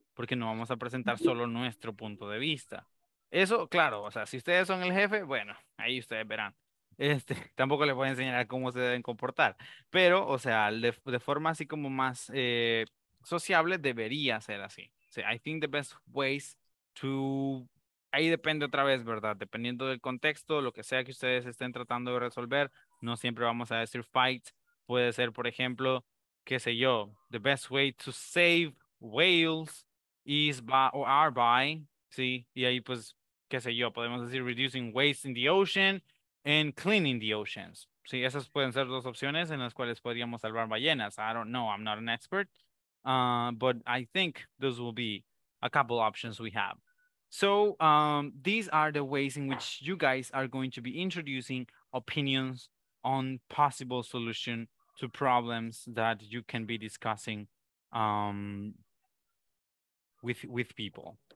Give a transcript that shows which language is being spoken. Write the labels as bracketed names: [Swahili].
[Spanish] Porque no vamos a presentar solo nuestro punto de vista. Eso, claro, o sea, si ustedes son el jefe, bueno, ahí ustedes verán. Tampoco les voy a enseñar cómo se deben comportar. Pero, o sea, de forma así como más sociable, debería ser así. O sea, [English] I think the best ways to... [Spanish] Ahí depende otra vez, ¿verdad? Dependiendo del contexto, lo que sea que ustedes estén tratando de resolver, no siempre vamos a decir fight. Puede ser, por ejemplo, qué sé yo, [English] the best way to save whales is by, or are by, [Spanish] ¿sí? Y ahí, pues, qué sé yo, podemos decir [English] reducing waste in the ocean and cleaning the oceans. [Spanish] Sí, esas pueden ser dos opciones en las cuales podríamos salvar ballenas. [English] I don't know, I'm not an expert. But I think those will be a couple options we have. So these are the ways in which you guys are going to be introducing opinions on possible solution to problems that you can be discussing with people.